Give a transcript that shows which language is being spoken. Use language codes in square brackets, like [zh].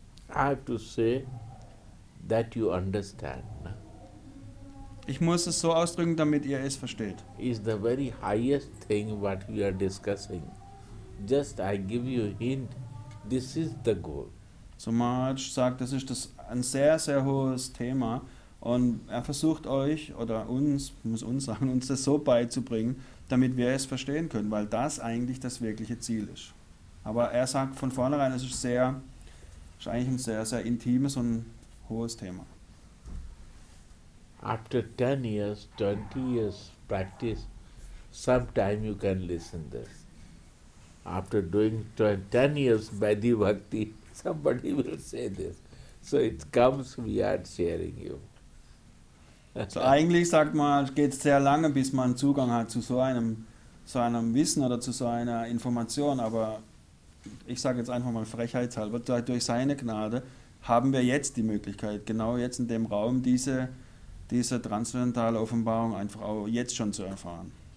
[en] I have to say that you understand. [de] Ich muss es so ausdrücken, damit ihr es versteht. [en] Is the very highest thing what we are discussing. Just I give you a hint. This is the goal. [de] So Maharaj sagt, das ist das ein sehr, sehr hohes Thema und er versucht euch oder uns, muss uns sagen, uns das so beizubringen, damit wir es verstehen können, weil das eigentlich das wirkliche Ziel ist. Aber er sagt von vornherein, es ist sehr, ist eigentlich ein sehr, sehr intimes und hohes Thema. [en] After 10 years, 20 years practice, sometime you can listen this. After doing 10 years Vaidhi Bhakti, somebody will say this. So it comes, we are sharing you. [de] So eigentlich sagt man, es geht sehr lange, bis man Zugang hat zu so einem Wissen oder zu so einer Information, aber ich sage jetzt einfach mal frechheitshalber, durch seine Gnade haben wir jetzt die Möglichkeit, genau jetzt in dem Raum diese transzendentale Offenbarung einfach auch jetzt schon zu erfahren.